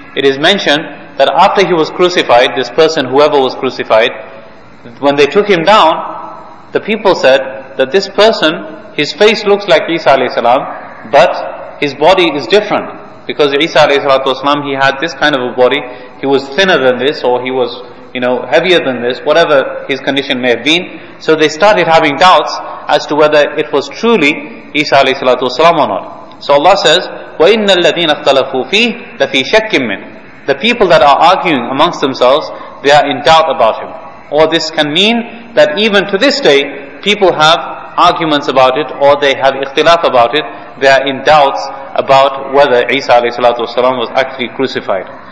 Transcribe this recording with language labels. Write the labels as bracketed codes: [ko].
[en] It is mentioned that after he was crucified, this person, whoever was crucified, when they took him down, the people said that this person, his face looks like Isa alayhi salam, but his body is different. Because Isa alayhi salatu wasalam, he had this kind of a body. He was thinner than this, or he was, you know, heavier than this, whatever his condition may have been. So they started having doubts as to whether it was truly Isa alayhi salatu wasalam or not. So Allah says, [ar] وَإِنَّ الَّذِينَ اخْتَلَفُوا فِيهِ لَفِي شَكٍّ مِّنْ. [en] The people that are arguing amongst themselves, they are in doubt about him. Or this can mean that even to this day, people have arguments about it, or they have ikhtilaf about it. They are in doubts about whether Isa alayhi salatu wasalam was actually crucified.